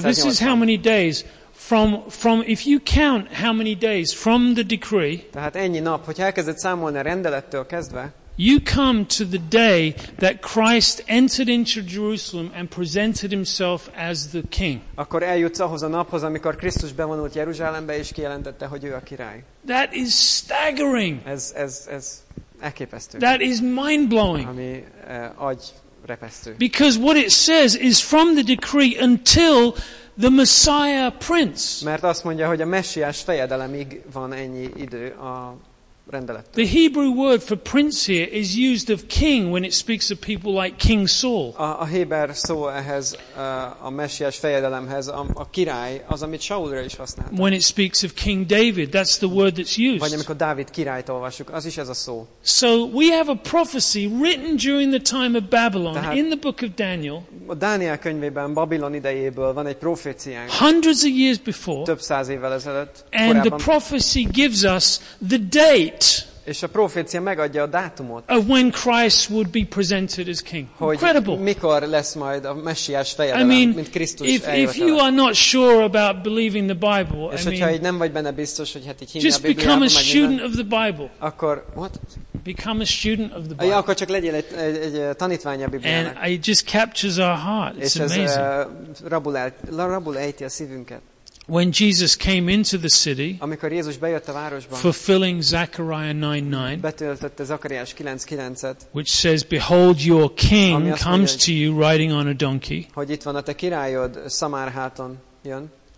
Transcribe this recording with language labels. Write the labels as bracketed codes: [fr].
[en] So this is how many days from if you count how many days from the decree. [hu] Tehát ennyi nap, hogyha elkezded számolni a rendelettől kezdve. [en] You come to the day that Christ entered into Jerusalem and presented himself as the king. [hu] Akkor eljutsz ahhoz a naphoz, amikor Krisztus bevonult Jeruzsálembe és kijelentette, hogy ő a király. [en] That is staggering. [hu] Ez elképesztő. [en] That is mind-blowing. [hu] Ami agyrepesztő. [en] Because what it says is from the decree until the Messiah prince. [hu] Mert azt mondja, hogy a messiás fejedelemig van ennyi idő a rendelet. [en] The Hebrew word for prince here is used of king when it speaks of people like King Saul. [hu] A Héber szó ehhez, a messiás fejedelemhez, a király, az, amit Saulra is használtak. [en] When it speaks of King David, that's the word that's used. [hu] Vagy amikor Dávid királyt olvassuk, az is ez a szó. [en] So we have a prophecy written during the time of Babylon in the book of Daniel. [hu] A Dániel könyvében, Babilon idejéből van egy proféciánk. [en] Hundreds of years before. [hu] Több száz évvel ezelőtt. [en] And [hu] korábban. [en] The prophecy gives us the day. [hu] És a profécia megadja a dátumot. [en] Of when Christ would be presented as king. Incredible. [hu] Mikor lesz majd a messiás fejedelem, mint Krisztus eljövetele. [en] If you are not sure about believing the Bible, [hu] és hogyha nem vagy benne biztos, hogy hát így hinni a Bibliában, [en] become a student of the Bible. [hu] Akkor [en] what? Become a student of the Bible. [hu] Akkor csak legyél egy tanítványa a Bibliának. [en] And it just captures our heart. It's amazing. [hu] És ez rabul ejti a szívünket. [en] When Jesus came into the city, [hu] amikor Jézus bejött a városba, [en] fulfilling Zechariah 9:9, [hu] betöltötte Zakariás 9:9-et, [en] which says, "Behold, your king comes to you riding on a donkey." [hu] Hogy itt van a te királyod, szamárháton jön.